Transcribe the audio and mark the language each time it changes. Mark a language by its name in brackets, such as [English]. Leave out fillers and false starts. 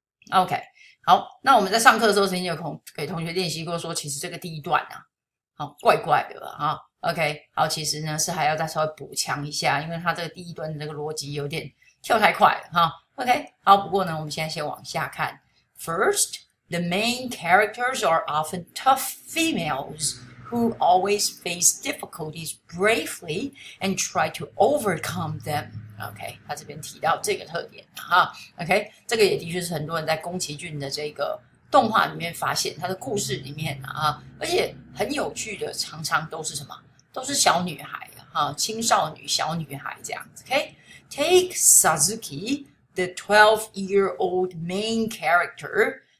[Chinese] Okay, 好，那我们在上课的时候曾经有给同学练习过说，其实这个第一段啊，好，怪怪的吧，啊 ，Okay, 好，其实呢是还要再稍微补强一下，因为它这个第一段的这个逻辑有点跳太快了，哈 ，Okay, 好，不过呢，我们现在先往下看。 [English] First, the main characters are often tough females. Who always face difficulties bravely and try to overcome them. [Chinese] Okay, 他这边提到这个特点啊。 Okay, 这个也的确是很多人在宫崎骏的这个动画里面发现，他的故事里面啊，而且很有趣的，常常都是什么，都是小女孩啊，青少女小女孩这样子。 [English] Okay, take Suzuki, the 12-year-old main character.